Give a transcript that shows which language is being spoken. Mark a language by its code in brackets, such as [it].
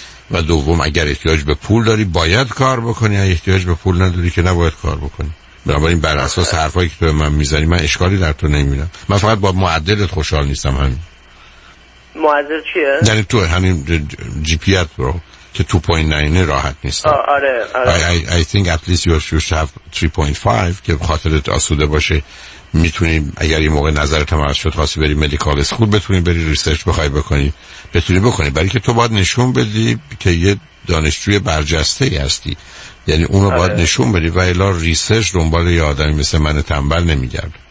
[fa] و دوم اگر احتیاج به پول داری باید کار بکنی یا احتیاج به پول نداری که نباید کار بکنی. بنابراین بر اساس حرفایی که تو به من میزنی من اشکالی در تو نمیبینم. من فقط با معدلت خوشحال نیستم. همین معدل چیه؟ یعنی تو همین جی پی ات رو که 2.9 راحت نیستم. آره [en] I think at least you should have 3.5 [fa] که خاطرت آسوده باشه میتونی اگر این موقع نظرت عوض شد خواستی بری مدیکال اسکول بتونی بری ریسرچ بخوای بکنی بتونی بکنی، برای که تو باید نشون بدی که یه دانشجوی برجسته هستی، یعنی اونو آره. باید نشون بدی و الا ریسرچ دنبال یه آدمی مثل من تنبل نمیگرد.